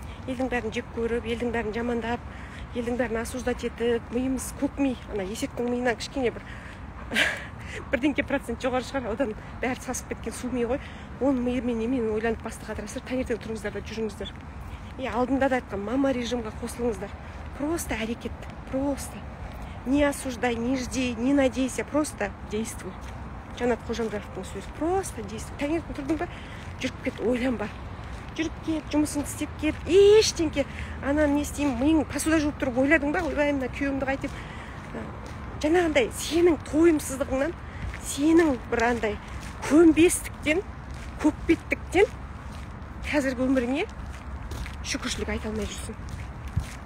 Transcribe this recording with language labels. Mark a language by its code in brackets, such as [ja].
[kk] Елдің бәрін жеп көріп, елдің бәрін жамандап, елдің бәрін асуждат етіп, миымыз көкмей, ана есектің миына кішкене бір бірденке процент жоғары шығар, одан бәрі сасып кеткен сумы ғой. Оны мимен немен ойланып басты қатырасыр, таңертең тұрыңыздар да жүріңіздер. И алдында да айтқан мама режимге қосылыңыздар. Просто әрекет, просто. [ru] Не осуждай, не жди, не надейся, просто действуй. [kk] Жанат Қожамжаровтың сөзі, [ru] просто действуй. [kk] Таңертең тұрдың ба, жүріп кет, ойланба. Жүріп кет, жұмысыңды істеп кет, ештеңке. Ананы не істеймін, миың посуда жуып тұрып ойладың ба, ойлаймын мына күйеуімді қайтіп. Жаңағындай сенің тойымсыздығыңнан, сенің бір андай көнбестіктен, көппеттіктен қазіргі өміріңе шүкіршілік айта алмай жүрсің.